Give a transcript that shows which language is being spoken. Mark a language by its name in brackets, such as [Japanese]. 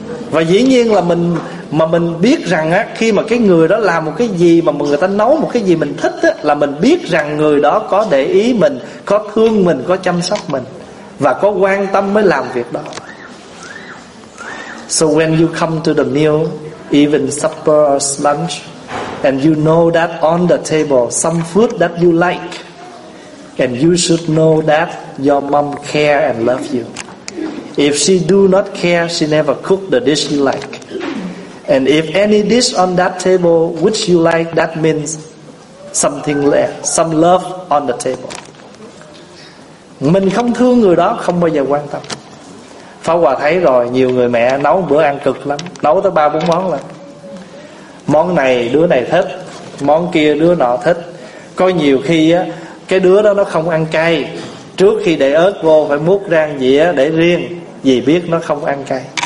[Vietnamese] Và dĩ nhiên là mình, mà mình biết rằng á, khi mà cái người đó làm một cái gì, mà người ta nấu một cái gì mình thích á, là mình biết rằng người đó có để ý mình, có thương mình, có chăm sóc mình, và có quan tâm mới làm việc đó. [English] So when you come to the meal, even supper or lunch, and you know that on the table some food that you like, and you should know that your mom care and love you. If she do not care, she never cook the dish you like. And if any dish on that table which you like, that means something left, some love on the table. [Vietnamese] Mình không thương người đó không bao giờ quan tâm. Pháp Hòa thấy rồi, nhiều người mẹ nấu bữa ăn cực lắm, nấu tới 3-4 món là món này đứa này thích, món kia đứa nọ thích. Có nhiều khi á, cái đứa đó nó không ăn cay, trước khi để ớt vô phải múc rang dĩa để riêng vì biết nó không ăn cay.